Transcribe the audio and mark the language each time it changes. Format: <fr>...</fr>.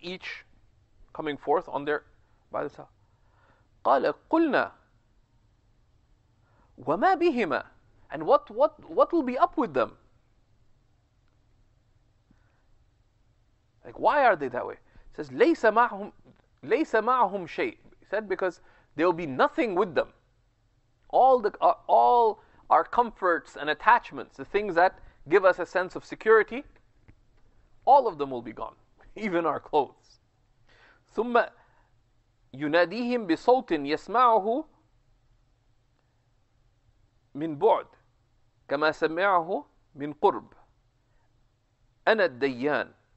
<en>Each coming forth on their by the side.</en> <ar>قَالَ قُلْنَا وَمَا بِهِمَا,</ar> <en>and what will be up with them? Like, why are they that way? It says,</en> <ar>لَيْسَ مَعْهُمْ شَيْءٍ.</ar> <en>He said, because there will be nothing with them. All our comforts and attachments, the things that give us a sense of security, all of them will be gone, even our clothes.</en> <ar>ثُمَّ يُنَادِيهِمْ بِصَوْتٍ يَسْمَعُهُ مِنْ بُعْدٍ كما سمعه من قرب أنا الديان.</ar>